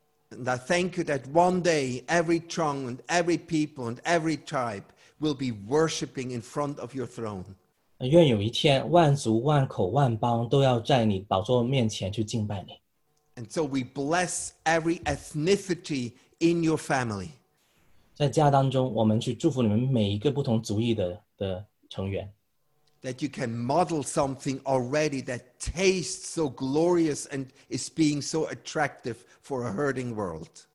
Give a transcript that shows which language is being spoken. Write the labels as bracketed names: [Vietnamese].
[English] And I thank you that one day every tongue and every people and every tribe will be worshiping in front of your throne. [Chinese] 愿有一天，万族、万口、万邦都要在你宝座面前去敬拜你。 [English] And so we bless every ethnicity in your family. [Chinese] 在家当中，我们去祝福你们每一个不同族裔的成员。 [English] That you can model something already that tastes so glorious and is being so attractive for a hurting world.